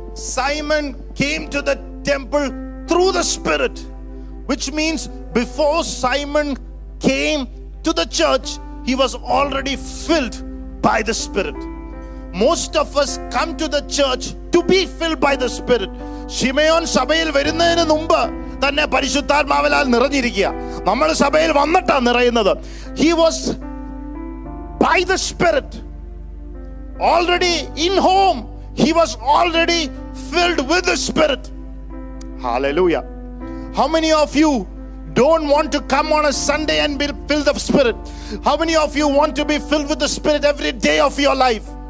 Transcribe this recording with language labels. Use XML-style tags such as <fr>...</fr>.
<en>Simon came to the temple through the Spirit, which means before Simon came to the church, he was already filled by the Spirit. Most of us come to the church to be filled by the Spirit.</en> <ml>Simeon സഭയിൽ വരുന്നതിന് മുമ്പ് തന്നെ പരിശുദ്ധാത്മാവിലാൽ നിറഞ്ഞിരിക്കുക. നമ്മൾ സഭയിൽ വന്നിട്ടാണ് നിറയുന്നത്.</ml> <en>He was by the Spirit. Already in home, he was already filled with the Spirit. Hallelujah. How many of you don't want to come on a Sunday and be filled of Spirit? How many of you want to be filled with the Spirit every day of your life?</en>